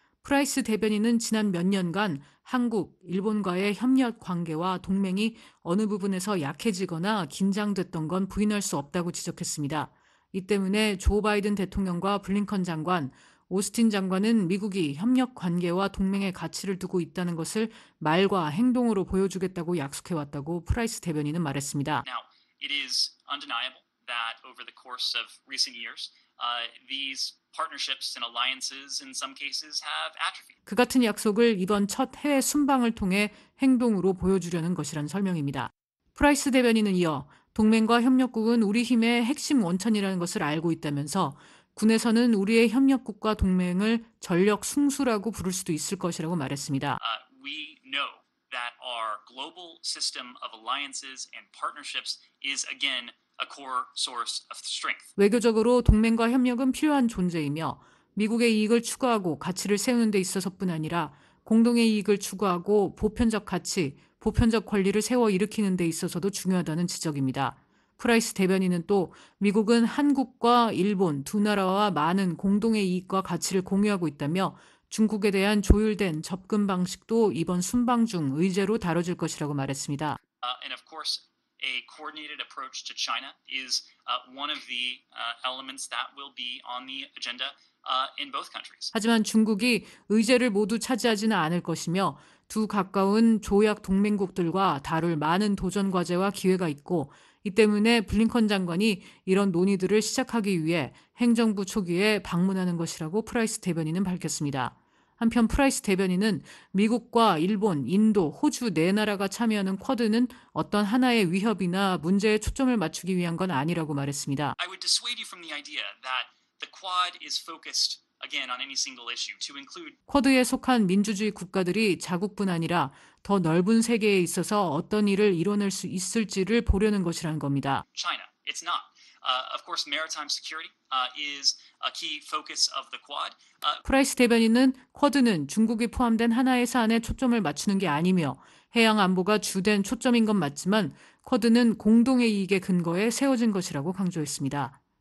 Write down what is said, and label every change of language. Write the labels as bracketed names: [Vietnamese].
[Korean] 프라이스 대변인은 지난 몇 년간 한국, 일본과의 협력 관계와 동맹이 어느 부분에서 약해지거나 긴장됐던 건 부인할 수 없다고 지적했습니다. 이 때문에 조 바이든 대통령과 블링컨 장관, 오스틴 장관은 미국이 협력 관계와 동맹의 가치를 두고 있다는 것을 말과 행동으로 보여주겠다고 약속해왔다고 프라이스 대변인은 말했습니다. [English] Now, it is undeniable that over the course of recent years, these partnerships and alliances in some cases have atrophied. [Korean] 그 같은 약속을 이번 첫 해외 순방을 통해 행동으로 보여주려는 것이란 설명입니다. 프라이스 대변인은 이어 동맹과 협력국은 우리 힘의 핵심 원천이라는 것을 알고 있다면서 군에서는 우리의 협력국과 동맹을 전력 숭수라고 부를 수도 있을 것이라고 말했습니다. [English] We know that our global system of alliances and partnerships is again a core source of strength. [Korean] 외교적으로 동맹과 협력은 필요한 존재이며 미국의 이익을 추구하고 가치를 세우는 데 있어서뿐 아니라 공동의 이익을 추구하고 보편적 가치, 보편적 권리를 세워 일으키는 데 있어서도 중요하다는 지적입니다. 프라이스 대변인은 또 미국은 한국과 일본 두 나라와 많은 공동의 이익과 가치를 공유하고 있다며 중국에 대한 조율된 접근 방식도 이번 순방 중 의제로 다뤄질 것이라고 말했습니다. [English] And of course, a coordinated approach to China is one of the elements that will be on the agenda in both countries. [Korean] 하지만 중국이 의제를 모두 차지하지는 않을 것이며 두 가까운 조약 동맹국들과 다룰 많은 도전 과제와 기회가 있고 이 때문에 블링컨 장관이 이런 논의들을 시작하기 위해 행정부 초기에 방문하는 것이라고 프라이스 대변인은 밝혔습니다. 한편 프라이스 대변인은 미국과 일본, 인도, 호주 네 나라가 참여하는 쿼드는 어떤 하나의 위협이나 문제에 초점을 맞추기 위한 건 아니라고 말했습니다. [English] I would dissuade you from the idea that the quad is focused again on any single issue to include [Korean] 쿼드에 속한 민주주의 국가들이 자국뿐 아니라 더 넓은 세계에 있어서 어떤 일을 이뤄낼 수 있을지를 보려는 것이라는 겁니다. [English] China, it's not. Of course, maritime security is a key focus of the quad. [Korean] 프라이스 대변인은 쿼드는 중국이 포함된 하나의 사안에 초점을 맞추는 게 아니며 해양 안보가 주된 초점인 건 맞지만 쿼드는 공동의 이익의 근거에 세워진 것이라고 강조했습니다.